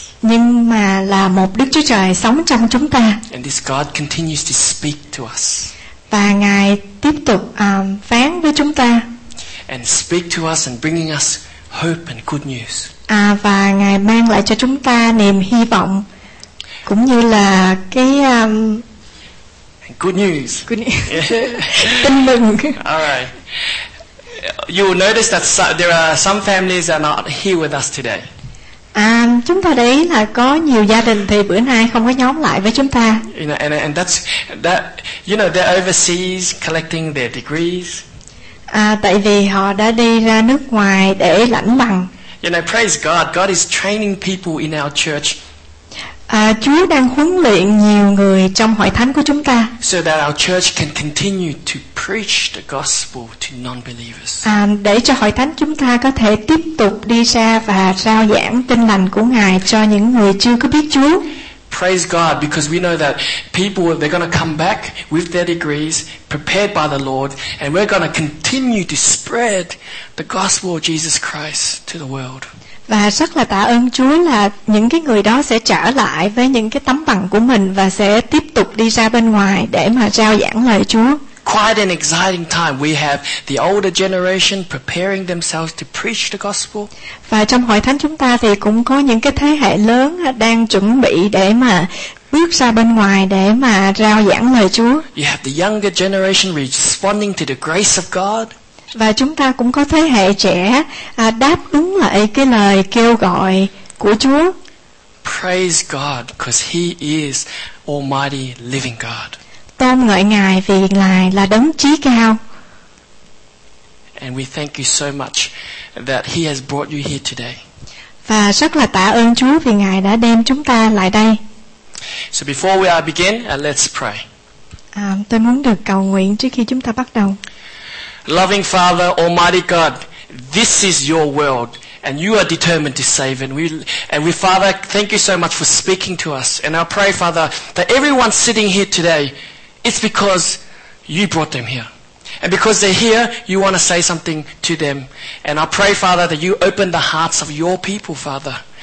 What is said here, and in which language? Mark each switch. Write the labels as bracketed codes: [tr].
[vi] Nhưng mà là một Đức Chúa Trời sống trong chúng ta. [en] And this God continues to speak to us. [vi] Và Ngài tiếp tục phán với chúng ta. [en] And speak to us and bringing us hope and good news. [vi] Và Ngài mang lại cho chúng ta niềm hy vọng cũng như là cái [en] good news. Good news. Yeah. [vi] Tin mừng. [en] All right. You will notice that there are some families that are not here with us today. [vi] Chúng ta thấy là có nhiều gia đình thì bữa nay không có nhóm lại với chúng ta. [en] You know, and that's that. You know, they're overseas collecting their degrees. [vi] Tại vì họ đã đi ra nước ngoài để lãnh bằng. [en] You know, praise God. God is training people in our church. [vi] Chúa đang huấn luyện nhiều người trong hội thánh của chúng ta. [en] So that our church can continue to preach the gospel to non-believers. [vi] Để cho hội thánh chúng ta có thể tiếp tục đi ra và rao giảng tin lành của Ngài cho những người chưa có biết Chúa. [en] Praise God, because we know that people, they're going to come back with their degrees prepared by the Lord, and we're going to continue to spread the gospel of Jesus Christ to the world. [vi] Và rất là tạ ơn Chúa là những cái người đó sẽ trở lại với những cái tấm bằng của mình và sẽ tiếp tục đi ra bên ngoài để mà rao giảng lời Chúa. [en] Quite an exciting time. We have the older generation preparing themselves to preach the gospel. [vi] Và trong hội thánh chúng ta thì cũng có những cái thế hệ lớn đang chuẩn bị để mà bước ra bên ngoài để mà rao giảng lời Chúa. [en] You have the younger generation responding to the grace of God. [vi] Và chúng ta cũng có thế hệ trẻ đáp ứng lại cái lời kêu gọi của Chúa. [en] Praise God, because He is Almighty Living God. [vi] Tôn ngợi Ngài vì Ngài là Đấng Chí Cao. [en] And we thank you so much that He has brought you here today. [vi] Và rất là tạ ơn Chúa vì Ngài đã đem chúng ta lại đây. [en] So before we begin, let's pray. [vi] Tôi muốn được cầu nguyện trước khi chúng ta bắt đầu. [en] Loving Father, Almighty God, this is your world, and you are determined to save it. And we, Father, thank you so much for speaking to us. And I pray, Father, that everyone sitting here today, it's because you brought them here. And because they're here, you want to say something to them. And I pray, Father, that you open the hearts of your people, Father.